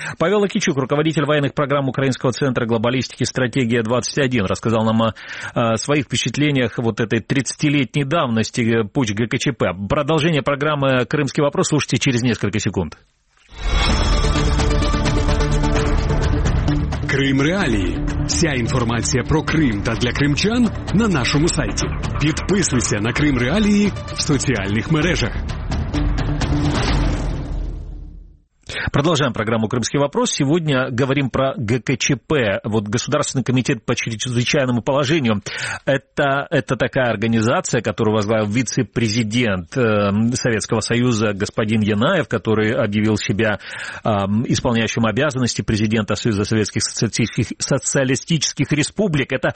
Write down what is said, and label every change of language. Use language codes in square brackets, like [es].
[ru] Павел Акичук, руководитель военных программ Украинского центра глобалистики «Стратегия-21», рассказал нам о своих впечатлениях вот этой 30-летней давности путч ГКЧП. Продолжение программы «Крымский вопрос» слушайте через несколько секунд. [uk] Крим реалії. Вся інформація про Крим та для кримчан на нашому сайті. Підписуйся на Крим реалії в соціальних мережах. [ru] Продолжаем программу «Крымский вопрос». Сегодня говорим про ГКЧП, вот Государственный комитет по чрезвычайному положению. Это такая организация, которую возглавил вице-президент Советского Союза господин Янаев, который объявил себя исполняющим обязанности президента Союза Советских Социалистических Республик.